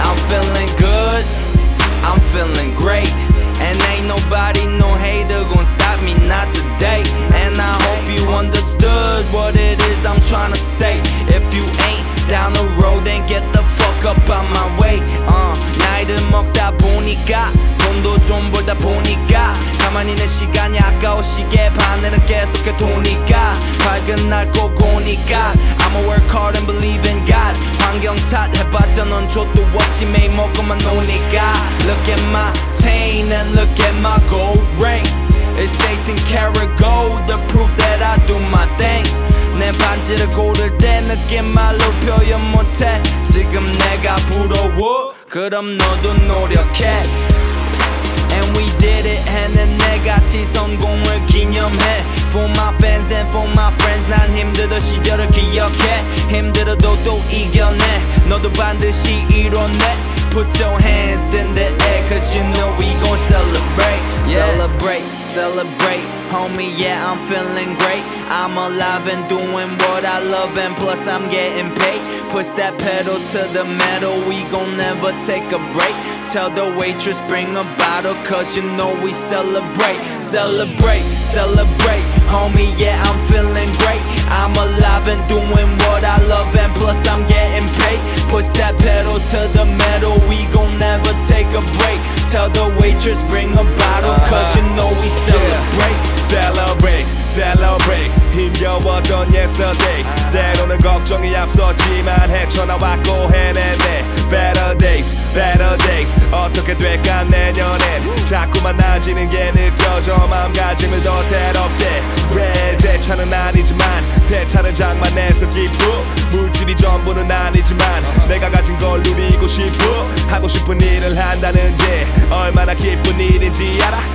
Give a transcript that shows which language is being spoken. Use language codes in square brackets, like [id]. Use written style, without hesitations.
[en] I'm feeling good, I'm feeling great. And ain't nobody, no hater gon' stop me, not today. And I hope you understood what it is I'm tryna say. If you ain't down the road, then get the fuck up out my way. [ko] 나이를 먹다 보니까 돈도 좀 벌다 보니까 가만히 내 시간이 아까워 시계 바늘은 계속해 도니까 밝은 날 꼭 오니까 [en] I'ma work hard and believe in God. [ko] 환경 탓 해봤자 넌 줘도 없지 매일 먹고만 노니까. [en] Look at my chain and look at my gold ring. It's 18 karat gold, the proof that I do my thing. [ko] 내 반지를 고를 때 느낀 말로 표현 못해. 지금 내가 부러워, 그럼 너도 노력해. [en] And we did it, [ko] 해내 내같이 성공을 기념해. [en] For my fans and for my friends, [ko] 난 힘들던 시절을 기억해. 힘들어도 또 이겨내, 너도 반드시 이뤄내. [en] Put your hands in the air, cause you know we gon' celebrate, yeah. Celebrate, celebrate, homie, yeah, I'm feeling great. I'm alive and doing what I love, and plus I'm getting paid. Push that pedal to the metal, we gon' never take a break. Tell the waitress, bring a bottle, cause you know we celebrate. Celebrate, celebrate, homie, yeah, I'm feeling great. I'm alive and doing what I love, and plus I'm getting paid. Push that pedal to the metal, we gon' never take a break. Tell the waitress, bring a bottle, cause you know we celebrate, yeah. Celebrate, celebrate, [ko] 힘겨웠던 [en] yesterday. [ko] 때로는 걱정이 앞섰지만 헤쳐나왔고 해냈네. [en] Better days, better days, [ko] 어떻게 될까 내년엔. 자꾸만 나아지는 게 느껴져, 마음가짐을 더 새롭게. 외제차는 아니지만 새차를 장만해서 기쁘. 물질이 전부는 아니지만 내가 가진 걸 누리고 싶어. 하고 싶은 일을 한다는데 얼마나 기쁜 일인지 알아?